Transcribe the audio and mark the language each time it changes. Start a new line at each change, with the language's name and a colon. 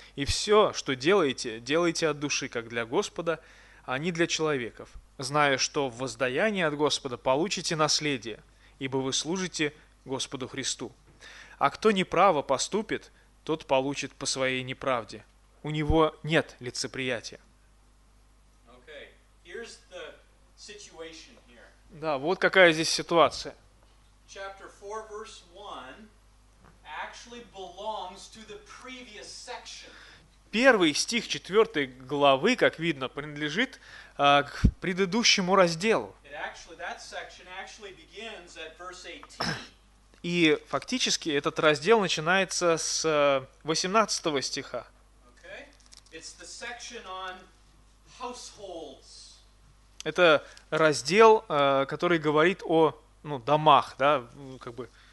Russian: И все, что делаете, делайте от души, как для Господа, а не для человеков, зная, что в воздаянии от Господа получите наследие, ибо вы служите Господу Христу. А кто неправо поступит, тот получит по своей неправде. У него нет лицеприятия».
English: Okay. Here's the situation here.
Russian: Да, вот какая здесь ситуация.
English: Chapter 4, verse 1 actually belongs to the previous section.
Russian: Первый стих 4 главы, как видно, принадлежит к предыдущему разделу.
English: It actually, that section actually begins at verse 18.
Russian: И фактически этот раздел начинается с 18 стиха.
English: Okay. It's the section on households.
Russian: Это раздел, который говорит о ну, домах, да, как бы.